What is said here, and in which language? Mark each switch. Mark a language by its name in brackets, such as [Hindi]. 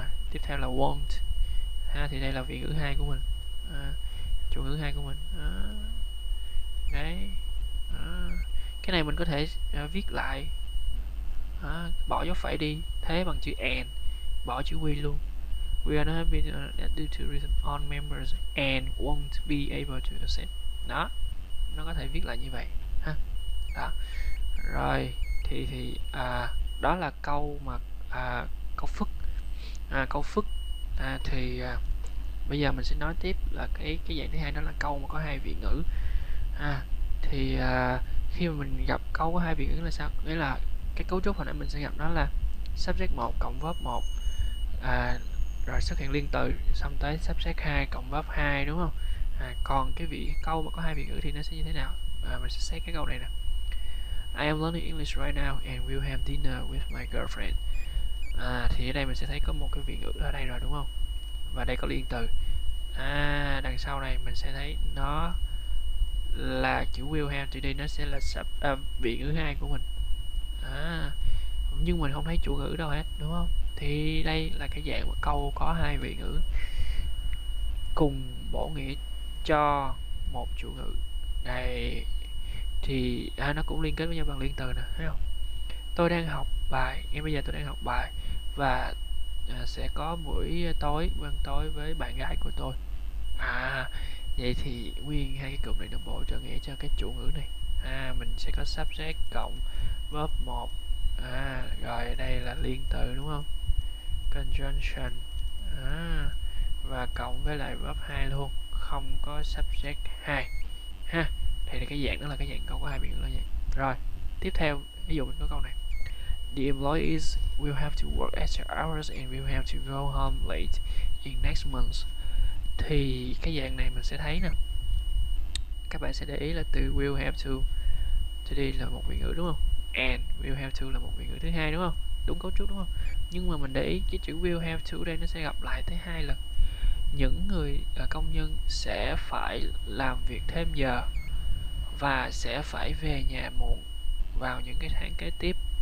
[Vietnamese] Tiếp theo là want ha, thì đây là biểu ngữ hai của mình, chủ ngữ hai của mình. Đấy. Cái này mình có thể viết lại, bỏ dấu phẩy đi, thế bằng chữ and, bỏ chữ we luôn. [English] We are not happy due to reason on members and won't be able to accept. [Vietnamese] Đó, nó có thể viết lại như vậy ha. Đó. Rồi thì đó là câu mà câu phức thì bây giờ mình sẽ nói tiếp là cái dạng thứ hai, đó là câu mà có hai vị ngữ. Thì khi mà mình gặp câu có hai vị ngữ là sao? Nghĩa là cái cấu trúc hồi nãy mình sẽ gặp, đó là subject 1 cộng verb 1, rồi xuất hiện liên từ, xong tới subject 2 cộng verb 2 đúng không? Còn cái vị câu mà có hai vị ngữ thì nó sẽ như thế nào? Mình sẽ xét cái câu này nè. [English] I am learning English right now and will have dinner with my girlfriend. [Vietnamese] Thì ở đây mình sẽ thấy có một cái vị ngữ ở đây rồi đúng không? Và đây có liên từ. Đằng sau này mình sẽ thấy nó là chữ will have, thì đây nó sẽ là vị ngữ hai của mình. Nhưng mình không thấy chủ ngữ đâu hết đúng không? Thì đây là cái dạng mà câu có hai vị ngữ cùng bổ nghĩa cho một chủ ngữ này, thì nó cũng liên kết với nhau bằng liên từ nè, thấy không? Tôi đang học bài, ngay bây giờ tôi đang học bài và sẽ có buổi tối, bữa ăn tối với bạn gái của tôi. Vậy thì nguyên hai cái cụm này đồng bộ trợ nghĩa cho cái chủ ngữ này. Mình sẽ có subject cộng verb 1. Rồi đây là liên từ đúng không? Conjunction. Và cộng với lại verb 2 luôn, không có subject 2. Thì cái dạng đó là cái dạng câu có hai biểu ngữ vậy. Rồi, tiếp theo ví dụ mình có câu này. [English] The employees will have to work extra hours and will have to go home late in next month. [Vietnamese] Thì cái dạng này mình sẽ thấy nè, các bạn sẽ để ý là từ will have to đi là một biểu ngữ đúng không? And will have to là một biểu ngữ thứ hai đúng không? Đúng cấu trúc đúng không? Nhưng mà mình để ý cái chữ will have to đây nó sẽ gặp lại tới hai lần. Những người công nhân sẽ phải làm việc thêm giờ và sẽ phải về nhà muộn vào những cái tháng kế tiếp.